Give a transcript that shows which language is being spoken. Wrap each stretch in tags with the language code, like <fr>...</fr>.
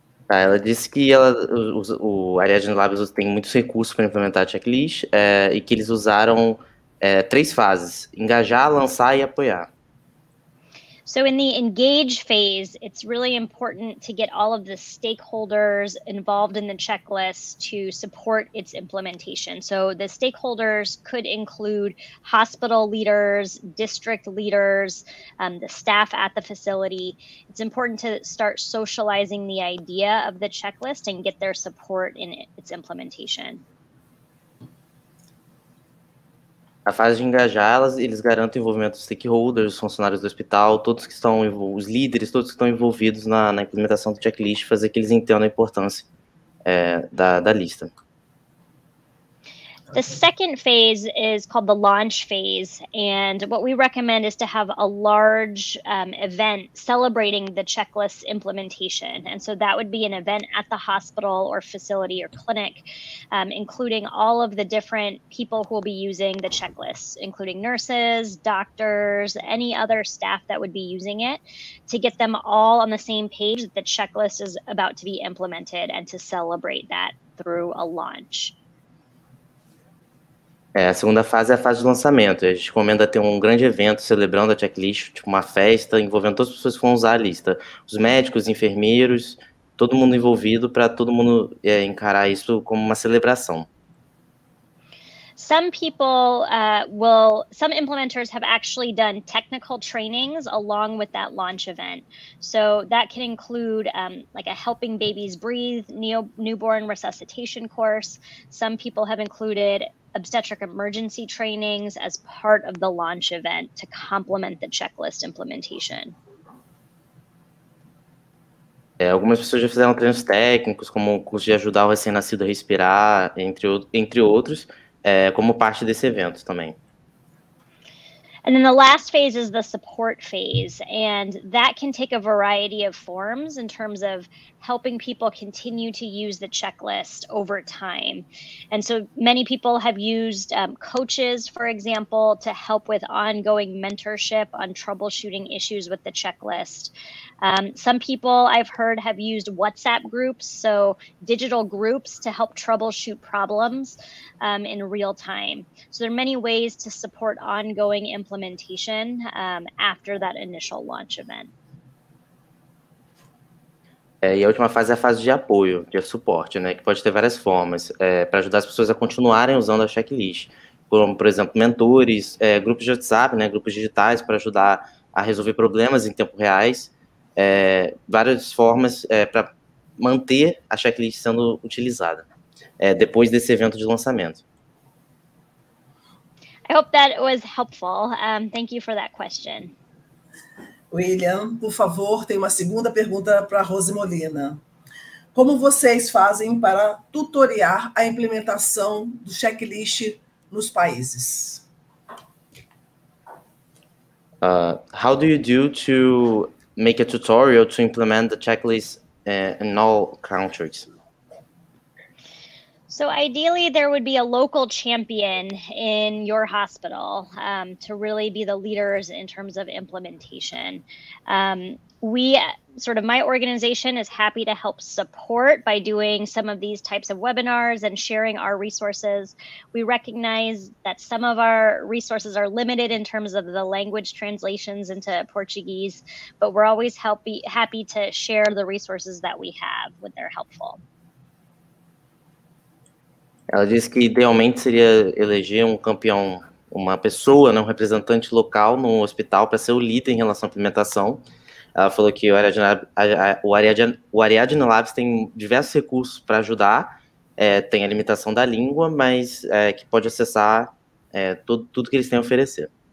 <pt>Ela disse que ela, o Ariadne Labs tem muitos recursos para implementar a checklist e que eles usaram três fases: engajar, lançar e apoiar.</pt> <en>So in the engage phase, it's really important to get all of the stakeholders involved in the checklist to support its implementation. So the stakeholders could include hospital leaders, district leaders, the staff at the facility. It's important to start socializing the idea of the checklist and get their support in its implementation.</en> <pt>A fase de engajar, eles garantem o envolvimento dos stakeholders, os funcionários do hospital, todos que estão, os líderes, todos que estão envolvidos na implementação do checklist, fazer que eles entendam a importância da lista.</pt> <en>The second phase is called the launch phase, and what we recommend is to have a large event celebrating the checklist implementation. And so that would be an event at the hospital or facility or clinic, including all of the different people who will be using the checklist, including nurses, doctors, any other staff that would be using it, to get them all on the same page that the checklist is about to be implemented and to celebrate that through a launch.</en> <pt>A segunda fase é a fase de lançamento. A gente recomenda ter um grande evento celebrando a checklist, tipo uma festa envolvendo todas as pessoas que vão usar a lista. Os médicos, enfermeiros, todo mundo envolvido, para todo mundo encarar isso como uma celebração.</pt> <en>Some people some implementers have actually done technical trainings along with that launch event. So that can include like a helping babies breathe, newborn resuscitation course. Some people have included obstetric emergency trainings as part of the launch event to complement the checklist implementation.</en> <pt>Algumas pessoas já fizeram treinos técnicos, como o curso de ajudar o recém-nascido a respirar, entre outros, como parte desse evento também.</pt> <en>And then the last phase is the support phase, and that can take a variety of forms in terms of helping people continue to use the checklist over time. And so many people have used coaches, for example, to help with ongoing mentorship on troubleshooting issues with the checklist. Some people I've heard have used WhatsApp groups, so digital groups to help troubleshoot problems in real time. So there are many ways to support ongoing implementation after that initial launch event.</en> <pt>E a última fase é a fase de apoio, de suporte, né, que pode ter várias formas para ajudar as pessoas a continuarem usando a checklist, como, por exemplo, mentores, grupos de WhatsApp, né, grupos digitais para ajudar a resolver problemas em tempo reais, várias formas para manter a checklist sendo utilizada depois desse evento de lançamento.</pt> <en>I hope that was helpful. Thank you for that question.</en> <pt>William, por favor, tem uma segunda pergunta para a Rose Molina. Como vocês fazem para tutoriar a implementação do checklist nos países?</pt> <en>How do you do to make a tutorial to implement the checklist in all countries? So ideally, there would be a local champion in your hospital to really be the leaders in terms of implementation. My organization is happy to help support by doing some of these types of webinars and sharing our resources. We recognize that some of our resources are limited in terms of the language translations into Portuguese, but we're always happy to share the resources that we have when they're helpful.</en> <pt>Ela disse que idealmente seria eleger um campeão, uma pessoa, né, um representante local no hospital para ser o líder em relação à implementação. Ela falou que o Ariadne Labs tem diversos recursos para ajudar, tem a limitação da língua, mas que pode acessar tudo que eles têm a oferecer.</pt>